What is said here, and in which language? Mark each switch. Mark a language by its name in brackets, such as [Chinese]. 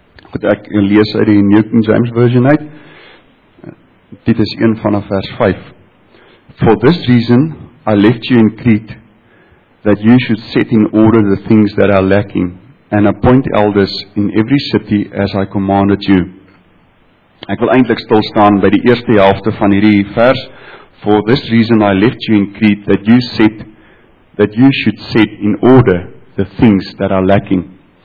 [Afrikaans] Goed, ek lees uit die New King James Version uit, Titus 1 vanaf vers 5. [English] For this reason I left you in Crete, that you should set in order the things that are lacking, and appoint elders in every city as I commanded you. [Afrikaans] Ek wil eintlik stil staan by die eerste helfte van hierdie vers. [English] For this reason I left you in Crete, that you should set in order the things that are lacking.